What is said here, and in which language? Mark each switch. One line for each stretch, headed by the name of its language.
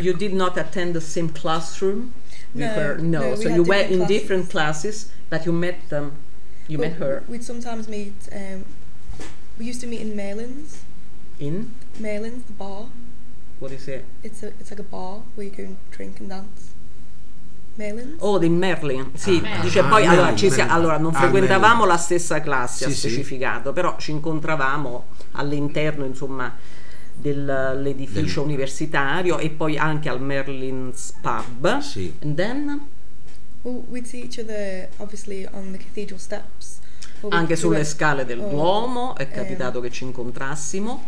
English: You did not attend the same classroom with her. No, so you were in different classes, but you met them. Met her. We'd sometimes meet. We used to meet in Malin's. In Malin's, the bar. What is it? It's like a bar where you can drink and dance. Merlin?
Italian: Oh, di Merlin, sì, dice poi non frequentavamo la stessa classe, ha specificato, però ci incontravamo all'interno, insomma, dell'edificio universitario e poi anche al Merlin's pub. Sì.
English: And then? We'd see each other, obviously, on the cathedral steps.
Italian: Anche sulle scale del Duomo è capitato che ci incontrassimo.